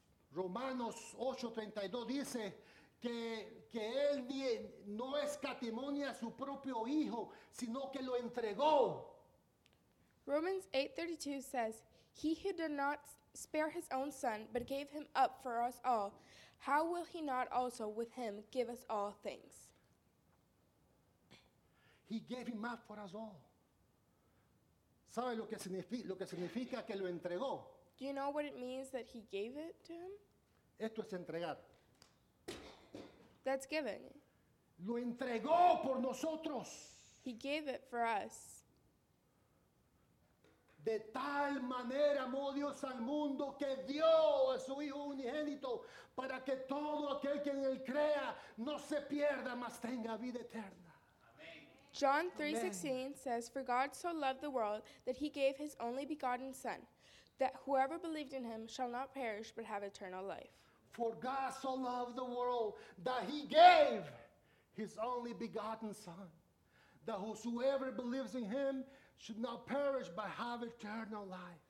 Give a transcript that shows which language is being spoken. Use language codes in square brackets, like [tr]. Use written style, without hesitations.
[es] Romanos 8:32 dice que él no escatimó a su propio hijo, sino que lo entregó. [en] Romans 8:32 says, he who did not spare his own son, but gave him up for us all, how will he not also with him give us all things? He gave him up for us all. [es] ¿Sabe lo que significa que lo entregó? [en] Do you know what it means that he gave it to him? [es] Esto es entregar. [en] That's giving. [es] Lo entregó por nosotros. [en] He gave it for us. [es] De tal manera amó Dios al mundo que dio a su Hijo unigénito para que todo aquel que en él crea no se pierda, mas tenga vida eterna. [en] John 3:16 says, for God so loved the world that he gave his only begotten son, that whoever believed in him shall not perish but have eternal life. For God so loved the world that he gave his only begotten son, that whosoever believes in him should not perish but have eternal life.